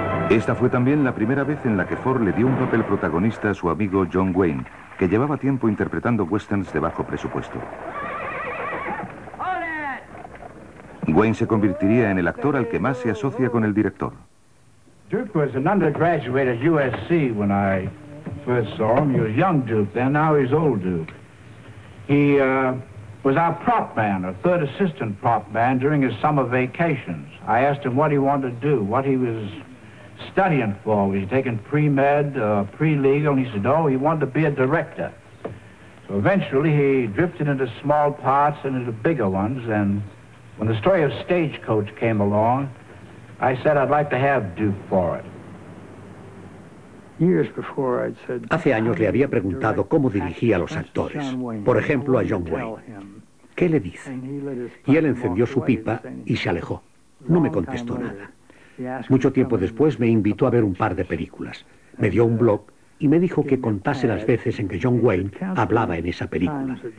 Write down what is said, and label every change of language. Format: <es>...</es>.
<es>Esta fue también la primera vez en la que Ford le dio un papel protagonista a su amigo John Wayne, que llevaba tiempo interpretando westerns de bajo presupuesto. Wayne se convertiría en el actor al que más se asocia con el director.</es> <en>Duke was an undergraduate at USC when I first saw him. He was young Duke then, now he's old Duke. He was our prop man, a third assistant prop man during his summer vacations. I asked him what he wanted to do, what he was studying for. Was he taking pre-med, pre-legal? And he said, no, he wanted to be a director. So eventually he drifted into small parts and into bigger ones. And when the story of Stagecoach came along, I said I'd like to have Duke for it.</en> <es>Hace años le había preguntado cómo dirigía a los actores, por ejemplo a John Wayne. ¿Qué le dice? Y él encendió su pipa y se alejó. No me contestó nada. Mucho tiempo después me invitó a ver un par de películas. Me dio un blog y me dijo que contase las veces en que John Wayne hablaba en esa película.</es>